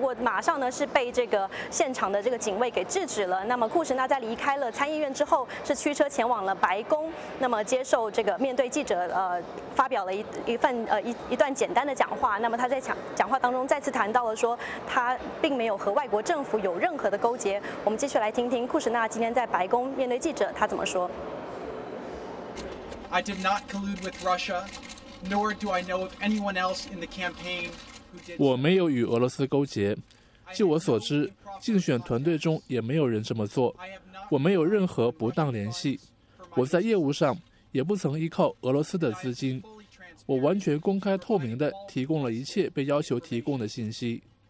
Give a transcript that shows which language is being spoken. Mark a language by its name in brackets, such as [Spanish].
[Chinese] 不过马上呢是被这个现场的这个警卫给制止了。那么库什纳在离开了参议院之后，是驱车前往了白宫，那么接受这个面对记者发表了一段简单的讲话。那么他在讲话当中再次谈到了说，他并没有和外国政府有任何的勾结。我们继续来听听库什纳今天在白宫面对记者他怎么说。 [English] I did not collude with Russia, nor do I know of anyone else in the campaign who did. [Chinese] 我没有与俄罗斯勾结，据我所知竞选团队中也没有人这么做，我没有任何不当联系，我在业务上也不曾依靠俄罗斯的资金，我完全公开透明地提供了一切被要求提供的信息。